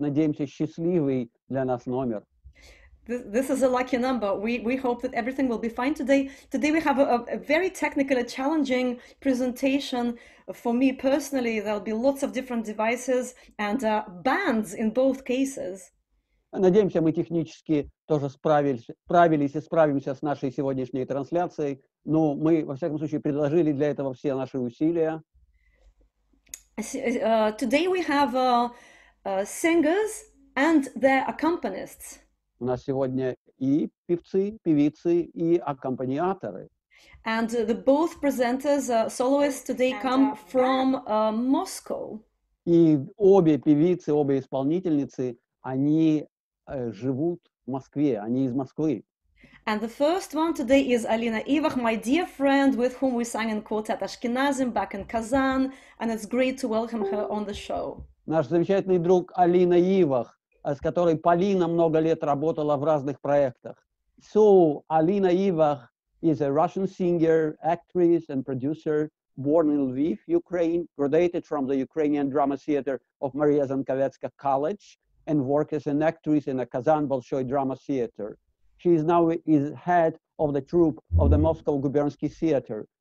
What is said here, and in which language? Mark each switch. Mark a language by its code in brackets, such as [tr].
[ru] Надеемся, счастливый для нас номер. [en] This is a lucky number. We hope that everything will be fine today. Today we have a very technical, a challenging presentation for me personally. There'll be lots of different devices and bands in both cases. [ru] Надеемся, мы технически тоже справились и справимся с нашей сегодняшней трансляцией. Но мы, во всяком случае, предложили для этого все наши усилия. [en] Today we have singers and their accompanists. [ru] У нас сегодня и певцы, певицы, и аккомпаниаторы. [en] And the both presenters, soloists, today come from Moscow. [ru] И обе певицы, обе исполнительницы, они живут в Москве, они из Москвы. [en] And the first one today is Alina Ivakh, my dear friend, with whom we sang in quartet Ashkenazim back in Kazan, and it's great to welcome her on the show. [ru] Наш замечательный друг Алина Ивах, с которой Полина много лет работала в разных проектах. [en] So, Alina Ivakh is a Russian singer, actress and producer, born in Lviv, Ukraine, graduated from the Ukrainian Drama Theatre of Mariya Zankovetska College, and work as an actress in the Kazan Bolshoi Drama Theatre. She is now is head of the troupe of the Moscow Gubernsky Theatre.